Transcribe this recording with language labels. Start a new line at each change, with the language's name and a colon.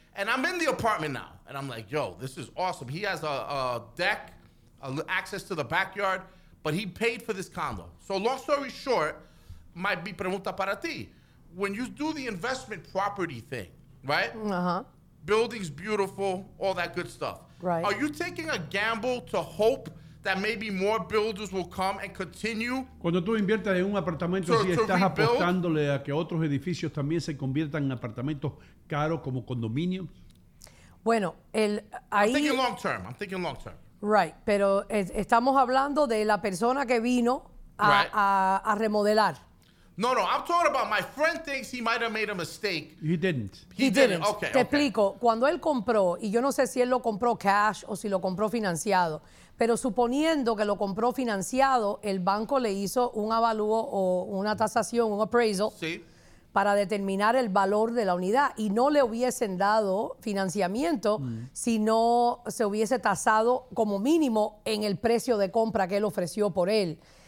English: And I'm in the apartment now. And I'm like, yo, this is awesome. He has a deck, access to the backyard, but he paid for this condo. So long story short,
Spanish: mi pregunta para ti.
English: When you do the investment property thing, right? Uh-huh. Building's beautiful, all that good stuff. Right. Are you taking a gamble to hope that maybe more builders will come and continue?
Spanish: Cuando tú inviertes en un apartamento, si estás apostándole a que otros edificios también se conviertan en apartamentos caros como condominios. Bueno, ahí.
English: I'm thinking long term.
Spanish: Right, pero estamos hablando de la persona que vino a remodelar.
English: No, I'm talking about my friend thinks he might have made a mistake. He didn't. Okay.
Spanish: Te explico. Cuando él compró, y yo no sé si él lo compró cash o si lo compró financiado, pero suponiendo que lo compró financiado, el banco le hizo un avalúo o una tasación, un appraisal, sí, para determinar el valor de la unidad. Y no le hubiesen dado financiamiento si no se hubiese tasado como mínimo en el precio de compra que él ofreció por él.